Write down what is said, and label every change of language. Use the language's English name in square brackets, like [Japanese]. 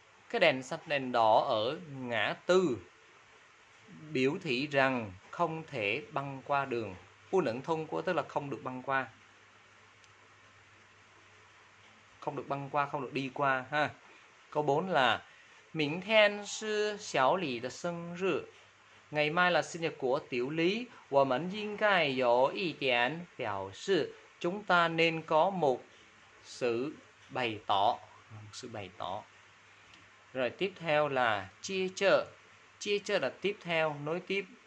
[Vietnamese] Cái đèn xanh đèn đỏ ở ngã tư biểu thị rằng không thể băng qua đường. Bu nâng thông qua tức là không được băng qua. Không được băng qua, không được đi qua ha. Câu 4 là [Chinese] 明天是小李的生日. [Vietnamese] Ngày mai là sinh nhật của Tiểu Lý. [Chinese] 我们应该有一点表示. [Vietnamese] Chúng ta nên có một sự bày tỏ. Sự bày tỏ. Rồi tiếp theo là chia chợ. Chia chợ là tiếp theo, nối tiếp.